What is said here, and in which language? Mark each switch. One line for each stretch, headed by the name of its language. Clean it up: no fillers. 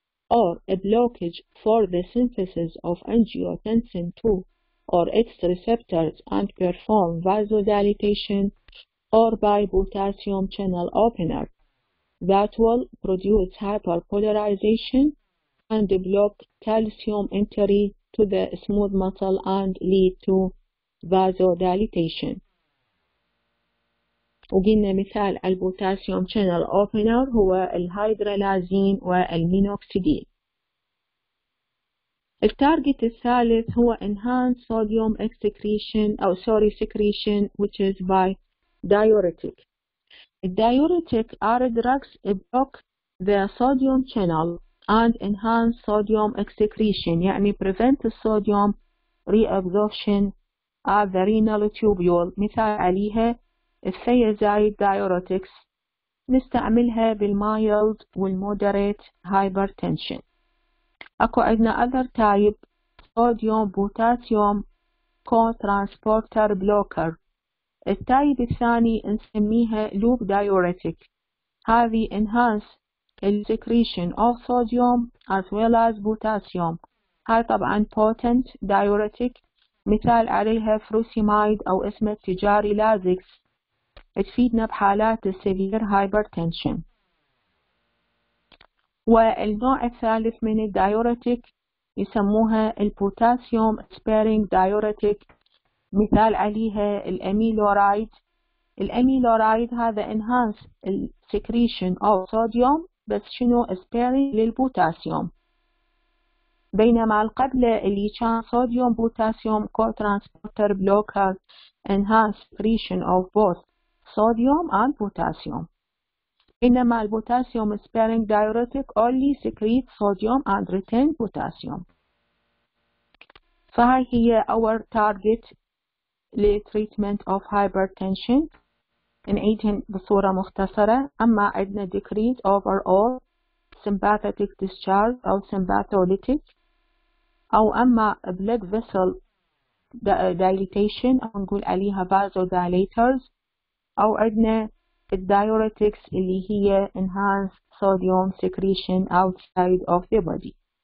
English: or a blockage for the synthesis of angiotensin 2 or its receptors and perform vasodilatation or by potassium channel opener that will produce hyperpolarization and block calcium entry to the smooth muscle and lead to vasodilatation.
Arabic: وقلنا مثال البوتاسيوم channel opener هو الهيدرالازين والمينوكسيدين. التارجت الثالث هو
English: enhanced sodium excretion أو sorry secretion which is by diuretic. Diuretic are drugs that block the sodium channel and enhance sodium excretion
Arabic: يعني
English: prevent the sodium reabsorption at the renal tubule.
Arabic: مثال عليها الثيازيد diuretics نستعملها بالmild والmoderate hypertension. أكو عندنا
English: other type sodium potassium co-transporter blocker.
Arabic: التايب الثاني نسميها loop diuretic. هذه
English: enhance the secretion of sodium as well as potassium.
Arabic: هاي طبعا potent diuretic. مثال عليها furosemide أو اسم التجاري Lasix. تفيدنا بحالات severe hypertension. والنوع الثالث من الدايوريتيك يسموها البوتاسيوم سبيرينج دايوريتيك مثال عليها الاميلورايد.
English: الاميلورايد هذا انهانس السكريشن او صوديوم
Arabic: بس شنو
English: sparing للبوتاسيوم
Arabic: بينما القبلة اللي كان
English: Sodium potassium co transporter blocker enhance secretion او both sodium and potassium إنما البوتاسيوم sparing diuretic only secrete sodium and retain potassium.
Arabic: فهي هي
English: our target لtreatment of hypertension.
Arabic: نعيدهن بصورة مختصرة. أما عندنا
English: decrease overall sympathetic discharge أو sympatholytic أو أما blood vessel dilatation أو نقول عليها vasodilators أو عندنا الديوريتكس اللي هي enhanced sodium secretion outside of the body.